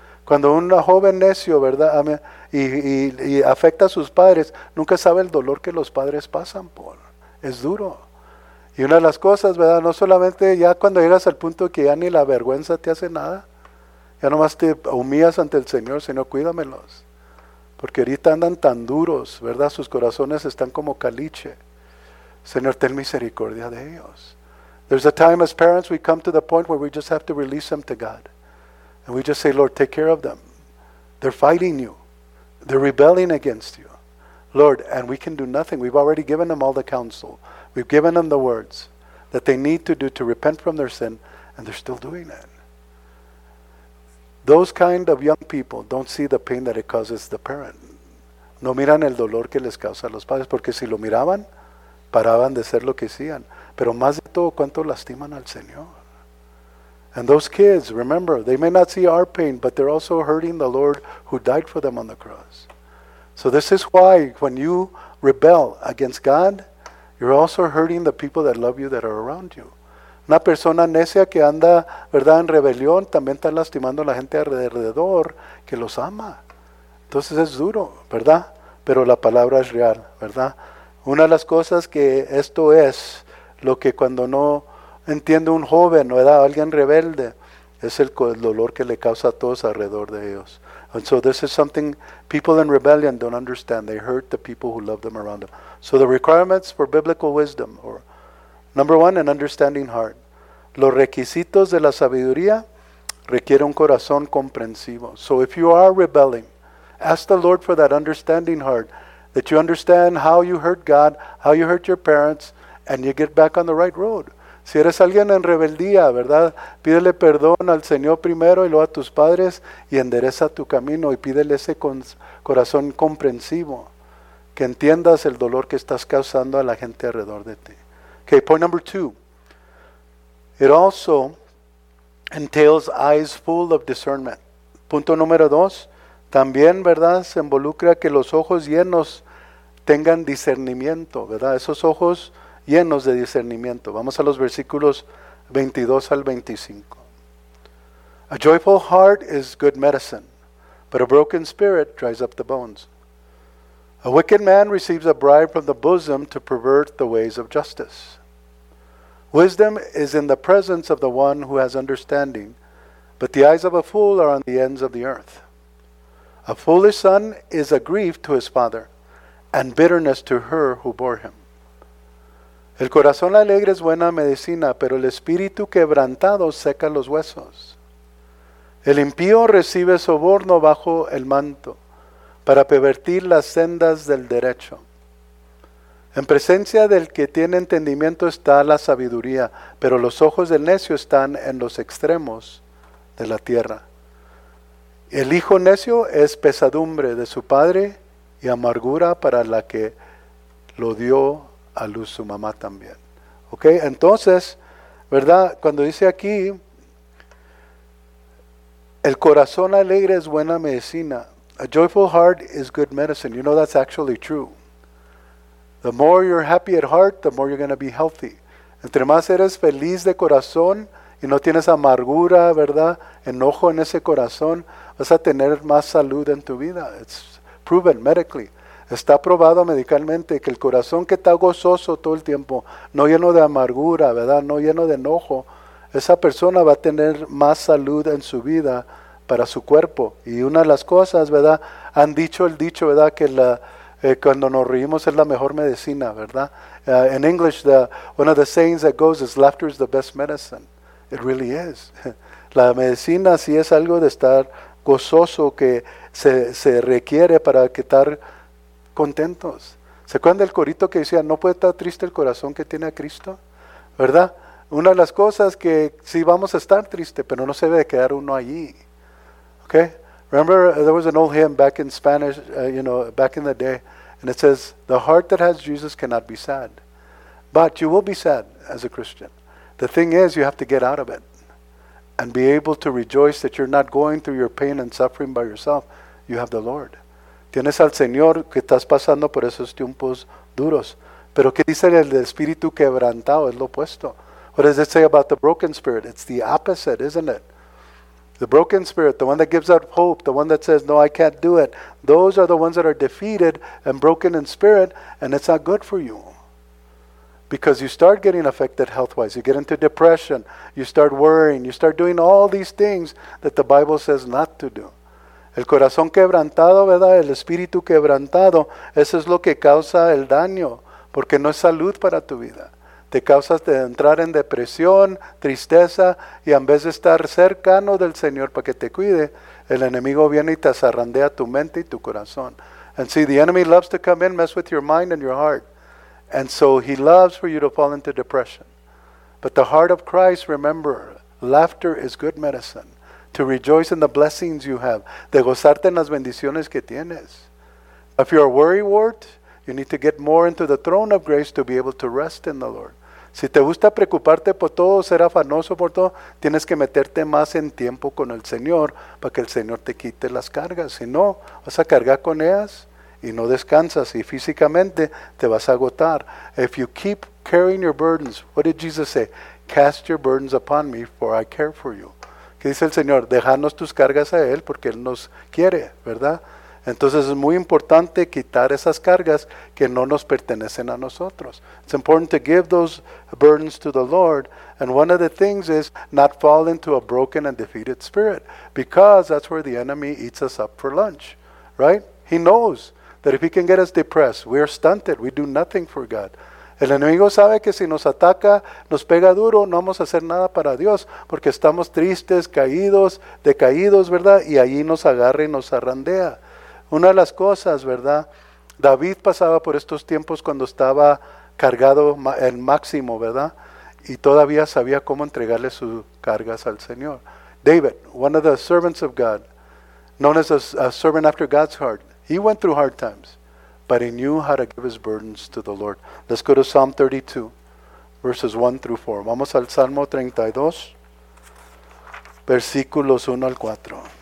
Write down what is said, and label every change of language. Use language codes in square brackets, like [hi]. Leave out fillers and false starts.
[es] Cuando un joven necio, ¿verdad?, y afecta a sus padres, nunca sabe el dolor que los padres pasan por. Es duro. Y una de las cosas, ¿verdad?, no solamente ya cuando llegas al punto que ya ni la vergüenza te hace nada, ya nomás te humillas ante el Señor, Señor, cuídamelos. Porque ahorita andan tan duros, ¿verdad?, sus corazones están como caliche. Señor, ten misericordia de ellos. [en] There's a time as parents we come to the point where we just have to release them to God. And we just say, Lord, take care of them. They're fighting you. They're rebelling against you. Lord, and we can do nothing. We've already given them all the counsel. We've given them the words that they need to do to repent from their sin, and they're still doing it. Those kind of young people don't see the pain that it causes the parent. [es] No miran el dolor que les causa a los padres, porque si lo miraban, paraban de ser lo que hacían. Pero más de todo, ¿cuánto lastiman al Señor? [en] And those kids, remember, they may not see our pain, but they're also hurting the Lord who died for them on the cross. So this is why when you rebel against God, you're also hurting the people that love you that are around you. [es] Una persona necia que anda, ¿verdad?, en rebelión, también está lastimando a la gente alrededor que los ama. Entonces es duro, ¿verdad? Pero la palabra es real, ¿verdad? Una de las cosas que esto es, lo que cuando no entiende un joven, ¿verdad?, alguien rebelde, es el dolor que le causa a todos alrededor de ellos. [en] And so this is something people in rebellion don't understand. They hurt the people who love them around them. So the requirements for biblical wisdom, or number one, an understanding heart. [es] Los requisitos de la sabiduría requieren un corazón comprensivo. [en] So if you are rebelling, ask the Lord for that understanding heart, that you understand how you hurt God, how you hurt your parents, and you get back on the right road. [es] Si eres alguien en rebeldía, ¿verdad?, pídele perdón al Señor primero y luego a tus padres y endereza tu camino y pídele ese corazón comprensivo, que entiendas el dolor que estás causando a la gente alrededor de ti. [en] Okay, point number two. It also entails eyes full of discernment. [es] Punto número dos. También, ¿verdad?, se involucra que los ojos llenos tengan discernimiento, ¿verdad? Esos ojos llenos de discernimiento. Vamos a los versículos 22 al 25. [en] A joyful heart is good medicine, but a broken spirit dries up the bones. A wicked man receives a bribe from the bosom to pervert the ways of justice. Wisdom is in the presence of the one who has understanding, but the eyes of a fool are on the ends of the earth. A foolish son is a grief to his father, and bitterness to her who bore him. [es] El corazón alegre es buena medicina, pero el espíritu quebrantado seca los huesos. El impío recibe soborno bajo el manto para pervertir las sendas del derecho. En presencia del que tiene entendimiento está la sabiduría, pero los ojos del necio están en los extremos de la tierra. El hijo necio es pesadumbre de su padre y amargura para la que lo dio a luz su mamá también. Ok, entonces, ¿verdad? Cuando dice aquí, el corazón alegre es buena medicina. [en] A joyful heart is good medicine. You know that's actually true. The more you're happy at heart, the more you're going to be healthy. [es] Entre más eres feliz de corazón y no tienes amargura, ¿verdad? Enojo en ese corazón, vas a tener más salud en tu vida. [en] It's proven medically. [es] Está probado medicalmente que el corazón que está gozoso todo el tiempo, no lleno de amargura, ¿verdad? No lleno de enojo, esa persona va a tener más salud en su vida para su cuerpo. Y una de las cosas, ¿verdad? Han dicho el dicho, ¿verdad? Que la, cuando nos reímos es la mejor medicina, ¿verdad? [en] In English, one of the sayings that goes is laughter is the best medicine. It really is. [es] La medicina sí es algo de estar gozoso que se requiere para estar contentos. ¿Se acuerdan del corito que decía, no puede estar triste el corazón que tiene a Cristo? ¿Verdad? Una de las cosas que sí vamos a estar triste, pero no se debe quedar uno allí. [en] Okay? Remember, there was an old hymn back in Spanish, back in the day, and it says, the heart that has Jesus cannot be sad. But you will be sad as a Christian. The thing is, you have to get out of it and be able to rejoice that you're not going through your pain and suffering by yourself. You have the Lord. [es] Tienes al Señor que estás pasando por esos tiempos duros. Pero ¿qué dice el espíritu quebrantado? Es lo opuesto. [en] What does it say about the broken spirit? It's the opposite, isn't it? The broken spirit, the one that gives up hope, the one that says, no, I can't do it. Those are the ones that are defeated and broken in spirit, and it's not good for you. Because you start getting affected health-wise. You get into depression. You start worrying. You start doing all these things that the Bible says not to do. [es] El corazón quebrantado, ¿verdad? El espíritu quebrantado, eso es lo que causa el daño, porque no es salud para tu vida. Te causas de entrar en depresión, tristeza, y en vez de estar cercano del Señor para que te cuide, el enemigo viene y te zarandea tu mente y tu corazón. [en] And see, the enemy loves to come in, mess with your mind and your heart. And so he loves for you to fall into depression. But the heart of Christ, remember, laughter is good medicine. To rejoice in the blessings you have. [es] De gozarte en las bendiciones que tienes. [en] If you're a worrywart, you need to get more into the throne of grace to be able to rest in the Lord. [es] Si te gusta preocuparte por todo, ser afanoso por todo, tienes que meterte más en tiempo con el Señor para que el Señor te quite las cargas. Si no, vas a cargar con ellas y no descansas y físicamente te vas a agotar. [en] If you keep carrying your burdens, what did Jesus say? Cast your burdens upon me, for I care for you. [es] ¿Qué dice el Señor? Dejarnos tus cargas a Él porque Él nos quiere, ¿verdad? Entonces es muy importante quitar esas cargas que no nos pertenecen a nosotros. [en] It's important to give those burdens to the Lord. And one of the things is not fall into a broken and defeated spirit, because that's where the enemy eats us up for lunch, right? He knows that if he can get us depressed, we are stunted, we do nothing for God. [es] El enemigo sabe que si nos ataca, nos pega duro, no vamos a hacer nada para Dios, porque estamos tristes, caídos, decaídos, ¿verdad? Y allí nos agarra y nos zarandea. Una de las cosas, ¿verdad? David pasaba por estos tiempos cuando estaba cargado en máximo, ¿verdad? Y todavía sabía cómo entregarle sus cargas al Señor. [en] David, one of the servants of God, known as a servant after God's heart, he went through hard times, but he knew how to give his burdens to the Lord. Let's go to Psalm 32, verses 1 through 4. [es] Vamos al Salmo 32, versículos 1 al 4.